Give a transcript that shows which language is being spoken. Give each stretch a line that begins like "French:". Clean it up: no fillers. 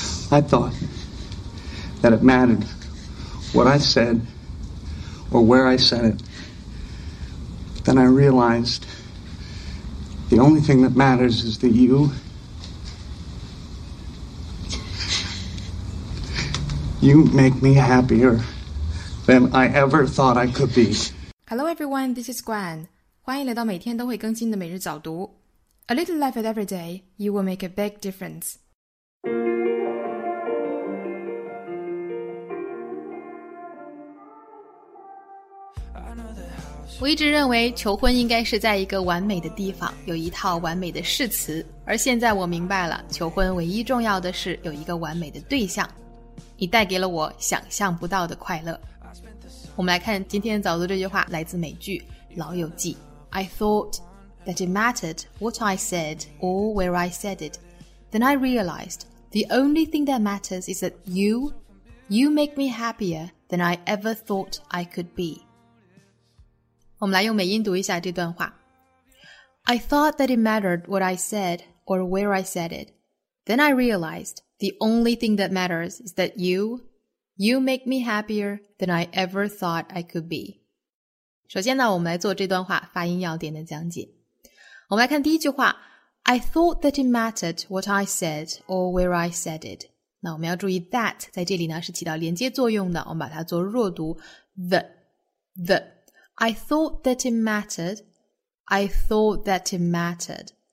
English: I thought that it mattered what I said or where I said it. Then I realized the only thing that matters is that you make me happier than I ever thought I could be. Hello everyone, this is Gwen.
Chinese: 欢迎来到每天都会更新的每日早读。
English: A little life at every day, you will make a big difference.
Chinese: 我一直认为求婚应该是在一个完美的地方，有一套完美的誓词，而现在我明白了，求婚唯一重要的是有一个完美的对象，你带给了我想象不到的快乐。我们来看今天早读这句话，来自美剧《老友记》。
English: I thought that it mattered what I said or where I said it. Then I realized the only thing that matters is that you make me happier than I ever thought I could be.
Chinese: 我们来用美音读一下这段话。
English: I thought that it mattered what I said or where I said it. Then I realized the only thing that matters is that you make me happier than I ever thought I could be.
Chinese: 首先呢，我们来做这段话发音要点的讲解。我们来看第一句话，
English: I thought that it mattered what I said or where I said it.
Chinese: 那我们要注意 that 在这里呢是起到连接作用的，我们把它做弱读 the.
English: I thought that it mattered. I thought that it mattered.